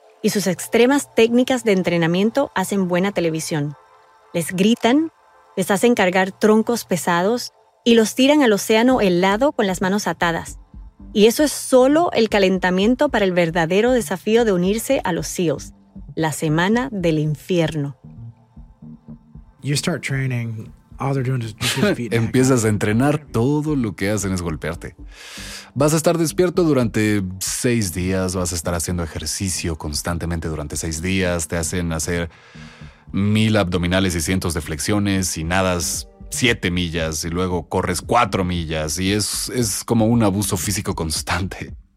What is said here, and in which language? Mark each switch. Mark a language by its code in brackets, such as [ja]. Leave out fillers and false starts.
[es] Y sus extremas técnicas de entrenamiento hacen buena televisión. Les gritan, les hacen cargar troncos pesados y los tiran al océano helado con las manos atadas. Y eso es solo el calentamiento para el verdadero desafío de unirse a los SEALs, la semana del infierno. [en] You start training, all they're doing is just feedback. [es] Empiezas a entrenar, todo lo que hacen es golpearte. Vas a estar despierto durante 6 días, vas a estar haciendo ejercicio constantemente durante 6 días, te hacen hacer 1,000 abdominales y cientos de flexiones y nadas 7 millas y luego corres 4 millas y es como un abuso físico constante.